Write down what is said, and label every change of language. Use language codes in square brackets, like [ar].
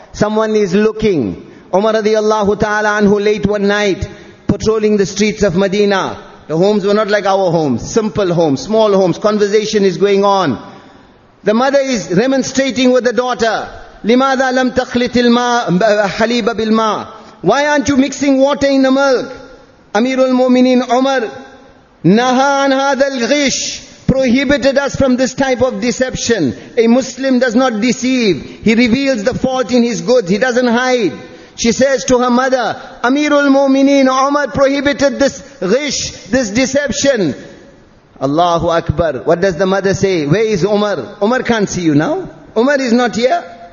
[en] Someone is looking. Umar radiallahu ta'ala anhu, late one night, patrolling the streets of Medina. The homes were not like our homes. Simple homes, small homes. Conversation is going on. The mother is remonstrating with the daughter. [ar] لِمَاذَا لَمْ تَخْلِتِ الْحَلِيبَ بِالْمَا. [en] Why aren't you mixing water in the milk? [ar] Amir al-Mu'mineen Umar, نَهَا عَنْ هَذَا الْغِشْ. [en] Prohibited us from this type of deception. A Muslim does not deceive. He reveals the fault in his goods. He doesn't hide. She says to her mother, Amir al-Mu'mineen Umar prohibited this ghish, this deception. Allahu Akbar. What does the mother say? Where is Umar? Umar can't see you now. Umar is not here.